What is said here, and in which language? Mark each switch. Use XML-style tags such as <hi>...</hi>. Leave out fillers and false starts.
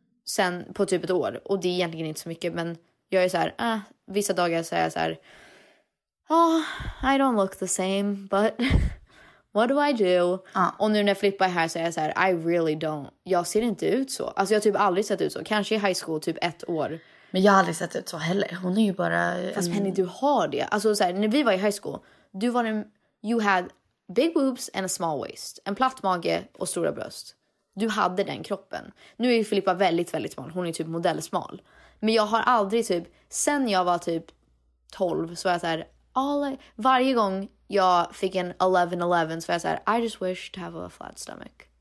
<sv>Sen på typ ett år, och det är egentligen inte så mycket, men jag är så här, vissa dagar så är jag så här,</sv> <en>oh, I don't look the same, but what do I do?</en> <sv>Och nu när jag flippar här så är jag så här,</sv> <en>I really don't.</en> <sv>Jag ser inte ut så. Alltså jag har typ aldrig sett ut så. Kanske i high school typ ett år. Men jag har aldrig sett ut så heller. Hon är ju bara... Fast Penny, du har det. Alltså så här, när vi var i high school, du var en...</sv> <en>You had big boobs and a small waist.</en> <sv>En platt mage och stora bröst. Du hade den kroppen. Nu är ju Filippa väldigt, väldigt smal. Hon är typ modellsmal. Men jag har aldrig typ... Sen jag var typ 12 så var jag så här... varje gång jag fick en 11-11 så var jag så här...</sv> <en>I just wish to have a flat stomach.</en>